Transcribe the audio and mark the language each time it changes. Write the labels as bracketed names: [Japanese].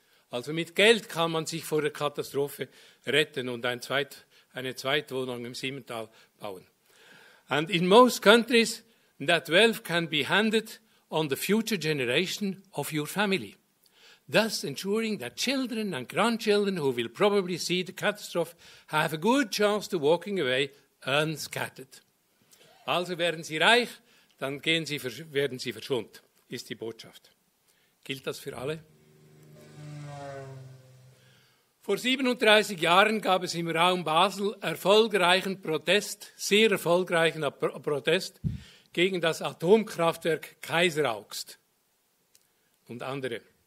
[German] Also mit Geld kann man sich vor der Katastrophe retten und eine Zweitwohnung im Simmental bauen. [English] And in most countries, that wealth can be handed on the future generation of your family, thus ensuring that children and grandchildren who will probably see the catastrophe have a good chance to walking away unscathed. [German] Also werden Sie reich, dann werden Sie verschont, ist die Botschaft. Gilt das für alle? Vor 37 Jahren gab es im Raum Basel erfolgreichen Protest, sehr erfolgreichen Protest gegen das Atomkraftwerk Kaiseraugst und andere.